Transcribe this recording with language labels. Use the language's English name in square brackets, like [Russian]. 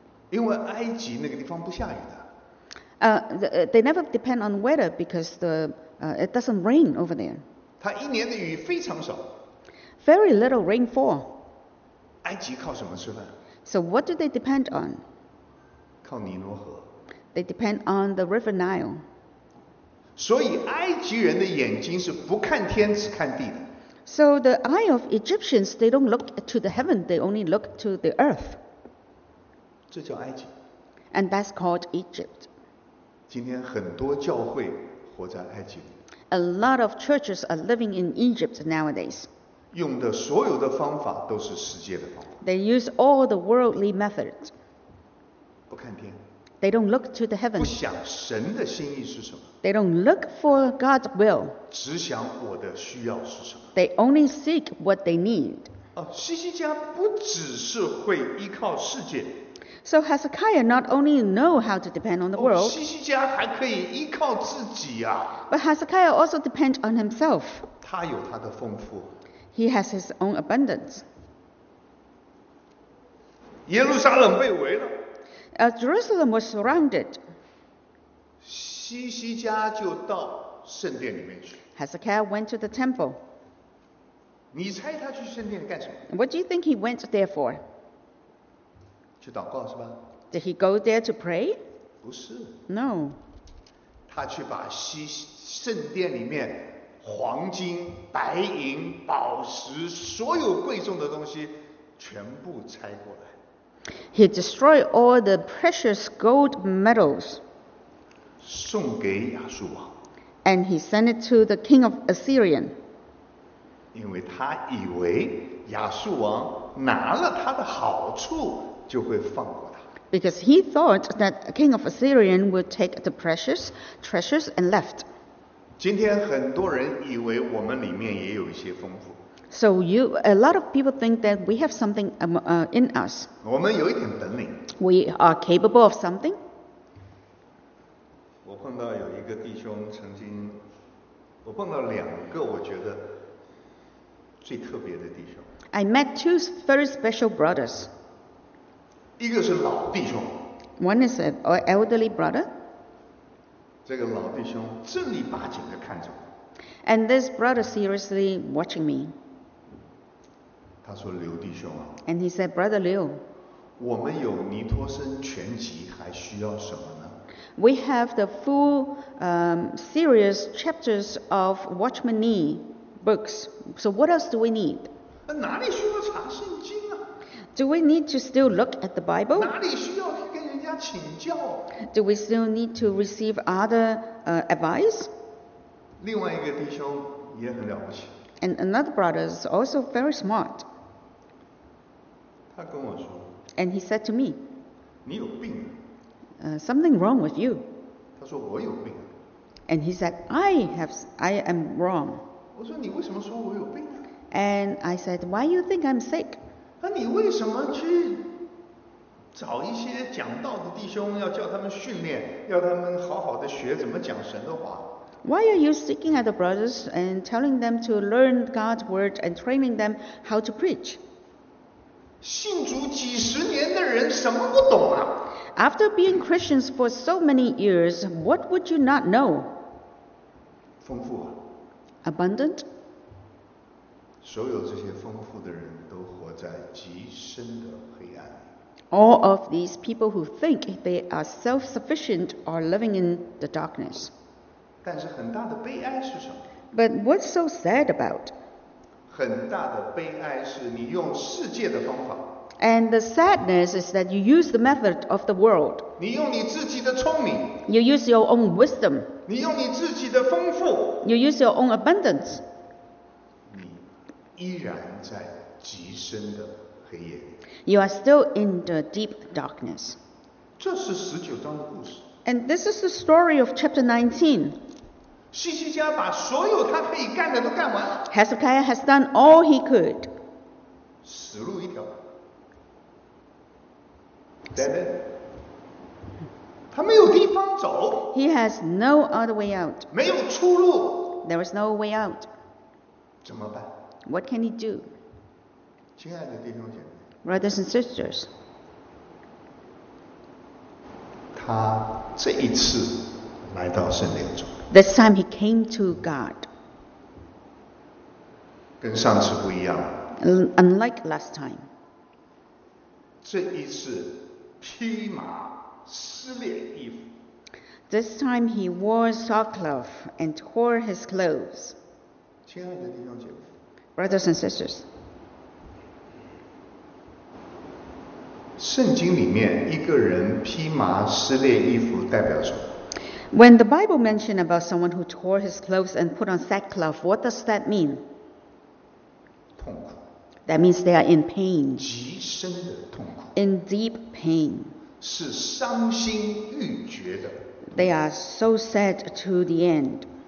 [Chinese] 因为埃及那个地方不下雨的。 [English] They never depend on weather because it doesn't rain over there. [Chinese] 它一年的雨非常少。 [English] Very little rainfall. [Chinese] 埃及靠什么吃饭？ [English] So what do they depend on? [Chinese] 靠尼罗河。 [English] They depend on the River Nile. [Chinese] 所以埃及人的眼睛是不看天只看地的。 [English] So the eye of Egyptians, they don't look to the heaven, they only look to the earth. [Chinese] 这叫埃及。 [English] And that's called Egypt. [Chinese] 今天很多教会活在埃及。 [English] A lot of churches are living in Egypt nowadays. [Chinese] 用的所有的方法都是世界的方法。 [English] They use all the worldly methods. [Chinese] 不看天。 [English] They don't look to the heaven. [Chinese] 不想神的心意是什么。 [English] They don't look for God's will. [Chinese] 只想我的需要是什么。 [English] They only seek what they need. [Chinese] 西西家不只是会依靠世界。 [English] So Hezekiah not only know how to depend on the world, [Chinese] 西西家还可以依靠自己啊。 [English] But Hezekiah also depends on himself. [Chinese] 他有他的丰富。 [English] He has his own abundance. [Chinese] 耶路撒冷被围了。 [English] Jerusalem was surrounded. [Chinese] 西西家就到圣殿里面去。 [English] Hezekiah went to the temple. [Chinese] 你猜他去圣殿干什么？ [English] What do you think he went there for? [Chinese] 去祷告是吧？ [English] Did he go there to pray? [Chinese] 不是。 [English] No. [Chinese] 他去把圣殿里面黄金、白银、宝石，所有贵重的东西全部拆过来。 [English] He destroyed all the precious gold medals. [Chinese] 送给亚述王。 [English] And he sent it to the king of Assyria. [Chinese] 因为他以为亚述王拿了他的好处。就会放过他。 [English] Because he thought that a king of Assyria would take the precious treasures and left. [Chinese] 今天很多人以为我们里面也有一些丰富。 [English] So a lot of people think that we have something in us. [Chinese] 我们有一点本领。 [English] We are capable of something. [Chinese] 我碰到有一个弟兄曾经，我碰到两个我觉得最特别的弟兄。 [English] I met two very special brothers. [Chinese] 一个是老弟兄。 [English] One is an elderly brother. [Chinese] 这个老弟兄正儿八经地看着我。 [English] And this brother seriously watching me. [Chinese] 他说刘弟兄啊。 [English] And he said, Brother Liu. [Chinese] 我们有尼托生全集还需要什么呢？ [English] We have the full serious chapters of Watchman Nee books. So what else do we need? [Chinese] 哪里需要查圣经？ [English] Do we need to still look at the Bible? [Chinese] 哪里需要去跟人家请教？ [English] Do we still need to receive other advice? [Chinese] 另外一个弟兄也很了不起。 [English] And another brother is also very smart. [Chinese] 他跟我说。 [English] And he said to me. [Chinese] 你有病。 [English] Something wrong with you. [Chinese] 他说我有病。 [English] And he said, I am wrong. [Chinese] 我说你为什么说我有病？ [English] And I said, why you think I'm sick? [Chinese] 那你为什么去找一些讲道的弟兄，要叫他们训练，要他们好好的学怎么讲神的话 [English] ？Why are you seeking at the brothers and telling them to learn God's word and training them how to preach？ [Chinese] 信主几十年的人什么不懂啊 [English] ？After being Christians for so many years, what would you not know？ [Chinese] 丰富啊 [English] ，abundant。 [Chinese] 所有这些丰富的人。在极深的黑暗。 [English] All of these people who think they are self-sufficient are living in the darkness. [Chinese] 但是很大的悲哀是什么？ [English] But what's so sad about? [Chinese] 很大的悲哀是你用世界的方法。 [English] And the sadness is that you use the method of the world. [Chinese] 你用你自己的聪明。 [English] You use your own wisdom. [Chinese] 你用你自己的丰富。 [English] You use your own abundance. [Chinese] 你依然在。极深的黑夜。 [English] You are still in the deep darkness. [Chinese] 这是十九章的故事。 [English] And this is the story of chapter 19. [Chinese] 西西家把所有他可以干的都干完了。 [English] Hezekiah has done all he could. [Chinese] 死路一条。 [English] Dead end. [Chinese] 他没有地方走。 [English] He has no other way out. [Chinese] 没有出路。 [English] There is no way out. [Chinese] 怎么办？ [English] What can he do? [Chinese] 亲爱的弟兄姐妹 [English] Brothers and sisters, [Chinese] 他这一次来到圣殿中。 [English] This time he came to God. [Chinese] 跟上次不一样。 [English] Unlike last time. [Chinese] 这一次披麻撕裂衣服。 [English] This time he wore sackcloth and tore his clothes. [Chinese] 亲爱的弟兄姐妹。 [English] Brothers and sisters. [Chinese] 圣经里面一个人披麻撕裂衣服代表什么？ [English] When the Bible mentioned about someone who tore his clothes and put on sackcloth, what does that mean? [Chinese] 痛苦。 [English] That means they are in pain. [Chinese] 极深的痛苦。 [English] In deep pain. [Chinese] 是伤心欲绝的。 [English] They are so sad to the end.